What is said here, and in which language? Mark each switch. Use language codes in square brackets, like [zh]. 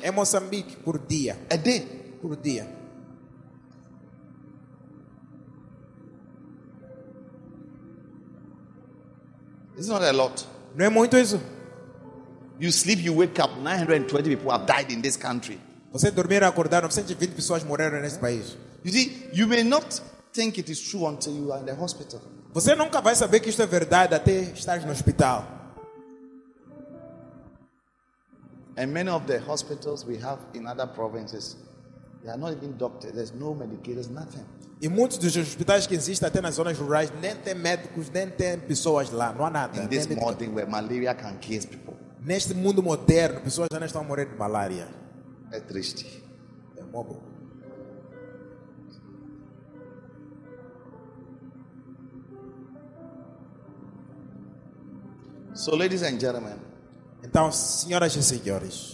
[pt] Em Moçambique, por dia. [en] A day. [pt] Por dia. [en] It's not a lot. [pt] Não é muito isso. [en] You sleep, you wake up, 920 people have died in this country. [pt] Você dormir e acordar, 920 pessoas morreram nesse país. [en] You see, you may not think it is true until you are in the hospital. [pt] Você nunca vai saber que isto é verdade até estar no hospital. [en] And many of the hospitals we have in other provinces, they are not even doctors. There's no medicators, nothing. [pt] E muitos dos hospitais que existem até nas zonas rurais nem tem médicos, nem tem pessoas lá, não há nada. [en] In this modern where malaria can kill people. [pt] Neste mundo moderno, pessoas já não estão morrendo de malária. É triste. É mobo. [en] So, ladies and gentlemen, [pt] então, senhoras e senhores,